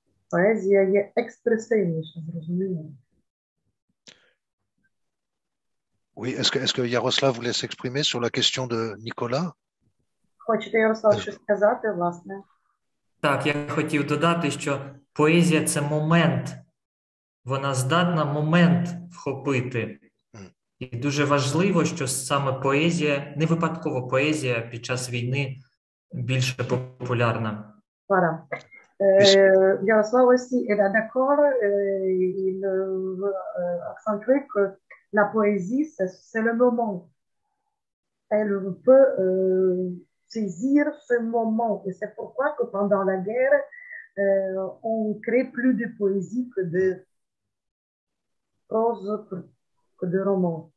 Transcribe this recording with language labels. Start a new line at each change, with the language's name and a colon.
Ukrainian: Поезія є експресивніша, зрозуміло.
French: Oui, est-ce que Yaroslav voulait s'exprimer sur la question de Nicolas?
Ukrainian: Хочете, Ярослав, щось сказати, власне? Так, я хотів додати, що поезія – це момент. Вона здатна момент вхопити. І дуже важливо, що саме поезія, не випадково поезія, під час війни більше популярна.
French: Voilà. Yaroslav aussi est d'accord, il veut accentuer que la poésie, c'est le moment. Elle peut saisir ce moment. Et c'est pourquoi que pendant la guerre, on crée plus de poésie que de prose, que de roman.